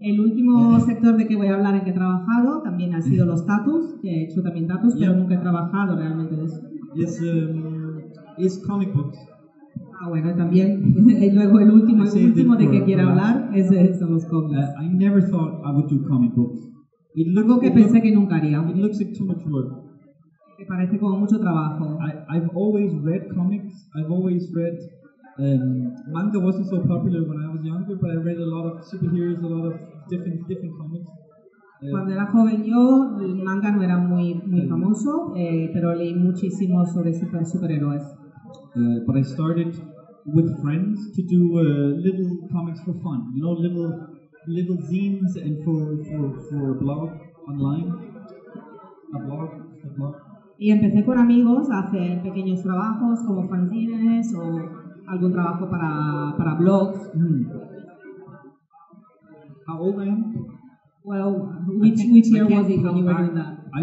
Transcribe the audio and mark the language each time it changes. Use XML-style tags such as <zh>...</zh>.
<es>El último sector de que voy a hablar en que he trabajado también ha sido los tatus, que he hecho también tatus, pero nunca he trabajado realmente de eso.</es> <en>Es comic books.</en> <es>Ah, bueno, también. Y luego el último de que quiera hablar son los cómics.</es> <en>I never thought I would do comic books.</en> <es>Algo que pensé que nunca haría.</es> <en>It looks like too much work.</en> <es>que parece como mucho trabajo.</es> <en>I've always read comics. I've always read manga wasn't so popular when I was younger, but I read a lot of superheroes, a lot of different comics. Cuando era joven yo, el manga no era muy famoso, pero leí muchísimo sobre superhéroes. But I started with friends to do little comics for fun, you know, little zines and for a blog online. A blog.</en> <es>Y empecé con amigos a hacer pequeños trabajos como fanzines o algún trabajo para blogs. Mm.</es> <en>How old am I? Well, which year was it when you were doing that?</en>